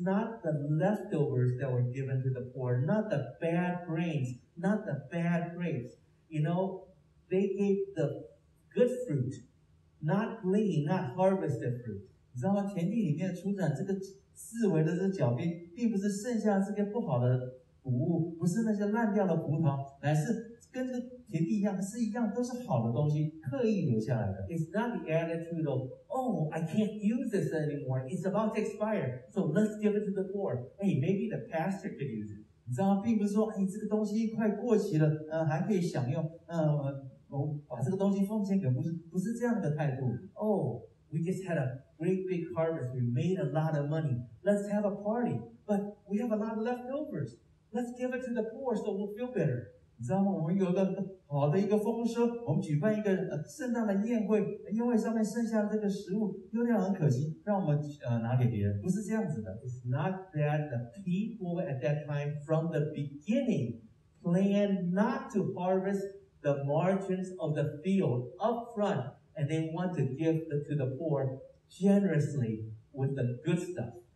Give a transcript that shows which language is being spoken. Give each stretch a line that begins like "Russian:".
English: not the leftovers that were given to the poor, not the bad grains, not the bad grapes. You know, they gave the good fruit, not lean, not harvested fruit.
Chinese: 你知道吗？田地里面出产这个。四维的这个狡辩，并不是剩下这个不好的谷物，不是那些烂掉的葡萄，乃是跟这个田地一样，是一样，都是好的东西，刻意留下来的。
English: It's not the attitude of, oh, I can't use this anymore. It's about to expire. So let's give it to the poor. Hey, maybe the pastor could use it.
Chinese: 你知道吗，并不是说，哎，这个东西快过期了，还可以享用，我把这个东西奉献给牧师，不是这样的态度。
English: Oh, We just had a great big harvest. We made a lot of money. Let's have a party. But we have a lot of leftovers. Let's give it to the poor so we'll feel better.
Chinese: 你知道吗？我们有个好的一个丰收，我们举办一个圣诞的宴会，宴会上面剩下的这个食物，有点很可惜，让我们拿给别人。不是这样子的。
English: It's not that the people at that time from the beginning planned not to harvest the margins of the field up front and they want to give to the poor generously with the good stuff.